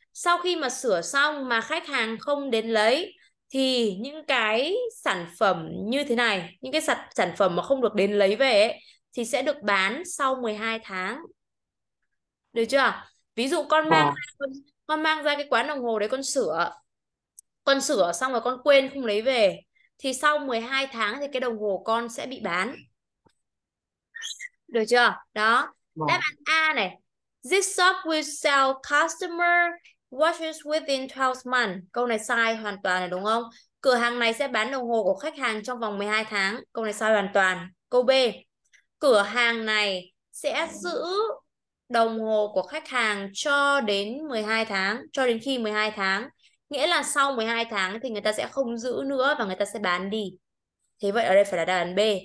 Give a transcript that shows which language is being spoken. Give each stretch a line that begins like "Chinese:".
Vietnamese: Sau khi mà sửa xong mà khách hàng không đến lấy thì những cái sản phẩm như thế này, những cái sản phẩm mà không được đến lấy về ấy, thì sẽ được bán sau 12 tháng. Được chưa? Ví dụ con mang ra cái quán đồng hồ đấy con sửa xong rồi con quên không lấy về, thì sau 12 tháng thì cái đồng hồ con sẽ bị bán. Được chưa? Đó. Đáp án A này.
English: This shop will sell customer watches within 12 months.
Vietnamese: Câu này sai hoàn toàn này đúng không? Cửa hàng này sẽ bán đồng hồ của khách hàng trong vòng 12 tháng. Câu này sai hoàn toàn. Câu B. Cửa hàng này sẽ giữ đồng hồ của khách hàng cho đến 12 tháng, cho đến khi 12 tháng. Nghĩa là sau 12 tháng thì người ta sẽ không giữ nữa và người ta sẽ bán đi. Thế vậy ở đây phải là đáp án B.